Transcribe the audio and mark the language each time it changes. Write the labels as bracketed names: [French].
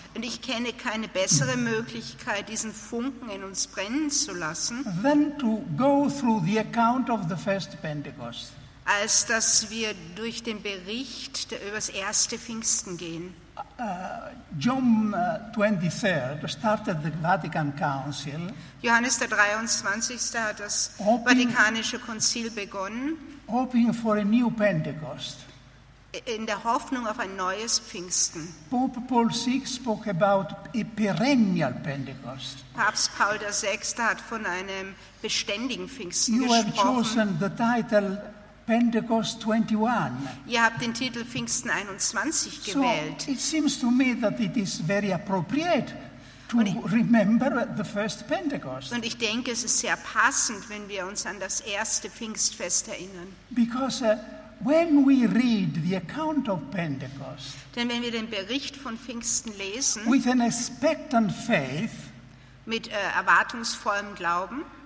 [German] Und ich kenne keine bessere Möglichkeit, diesen Funken in uns brennen zu lassen, [English] than to go through the account of the first Pentecost, [German] als dass wir durch den Bericht über das erste Pfingsten gehen. Johannes der 23. hat das Vatikanische Konzil begonnen, [English] hoping for a new Pentecost, [German] in der Hoffnung auf ein neues Pfingsten. [English] Pope Paul VI spoke about a perennial Pentecost. [German] Papst Paul der 6. hat von einem beständigen Pfingsten [English] you [German] gesprochen. [English] Have chosen the title Pentecost 21. [German] Ihr habt den Titel Pfingsten 21 gewählt. [English] So it seems to me that it is very appropriate to remember the first Pentecost. [German] Und ich denke, es ist sehr passend, wenn wir uns an das erste Pfingstfest erinnern. [English] Because when we read the account of Pentecost, [German] denn wenn wir den Bericht von Pfingsten lesen, [English] with an expectant faith, [German] mit erwartungsvollem Glauben,